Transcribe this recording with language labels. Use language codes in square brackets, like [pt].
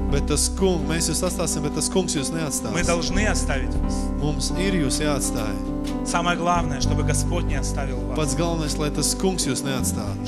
[lv] Bet tas kungs, mēs jūs atstāsim, bet tas kungs jūs neatstās. [ru] Мы должны оставить вас. [lv] Mums ir jūs jāatstāja. [ru] Самое главное, чтобы Господь не оставил вас. [lv] Pats galvenais, lai tas kungs jūs neatstāja.